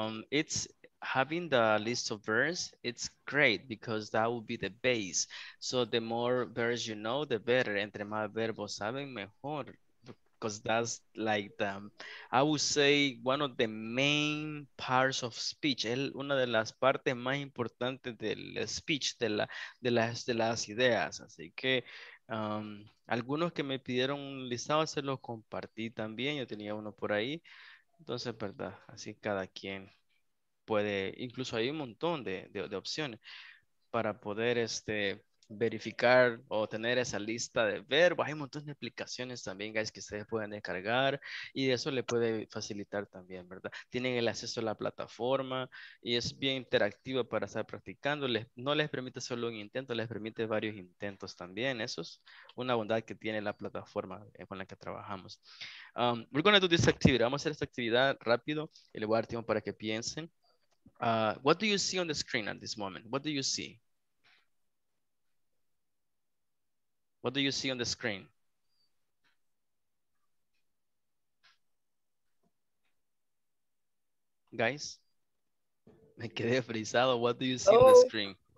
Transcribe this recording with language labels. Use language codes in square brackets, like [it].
[en] It's having the list of verbs, it's great because that will be the base. So the more verbs you know, the better. [es] Entre más verbos saben, mejor. [en] Because that's like the, I would say, one of the main parts of speech. [es] Una de las partes más importantes del speech, de las ideas. Así que, algunos que me pidieron un listado, se los compartí también. Yo tenía uno por ahí. Entonces, verdad, así cada quien puede. Incluso hay un montón de opciones para poder verificar o tener esa lista de verbos. Hay un montón de aplicaciones también, guys, que ustedes pueden descargar y eso le puede facilitar también, ¿verdad? Tienen el acceso a la plataforma y es bien interactiva para estar practicando. No les permite solo un intento, les permite varios intentos también. Eso es una bondad que tiene la plataforma con la que trabajamos. [en] We're going to do this activity. [es] Vamos a hacer esta actividad rápido y le voy a dar tiempo para que piensen. [en] What do you see on the screen at this moment? What do you see? What do you see on the screen? Guys, [es] me quedé frisado. [en] What do you see on the screen?